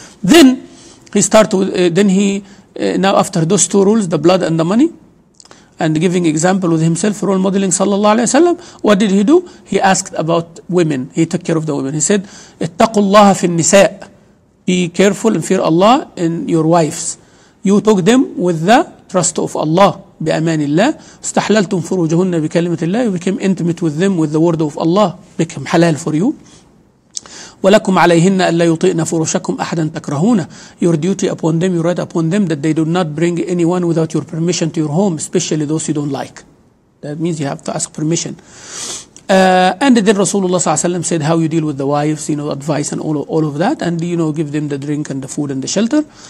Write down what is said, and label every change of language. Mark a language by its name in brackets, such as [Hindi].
[English] Then he started with, now after those two rules, the blood and the money, and giving example with himself, role modeling, sallallahu alayhi wa sallam, what did he do? He asked about women. He took care of the women. He said, [Arabic] اتقوا الله في النساء. [English] Be careful and fear Allah in your wives. You took them with the trust of Allah. [Arabic] بأمان الله استحللتم فروجهن بكلمة الله. [English] You became intimate with them with the word of Allah. Became halal for you. [Arabic] ولكم عليهن ألا يطئن فروشكم أحدا تكرهونه. [English] Your duty upon them, your right upon them, that they do not bring anyone without your permission to your home, especially those you don't like. That means you have to ask permission. And then Rasulullah [Arabic] صلى الله عليه وسلم [English] said how you deal with the wives, you know, advice and all of that, and you know, give them the drink and the food and the shelter.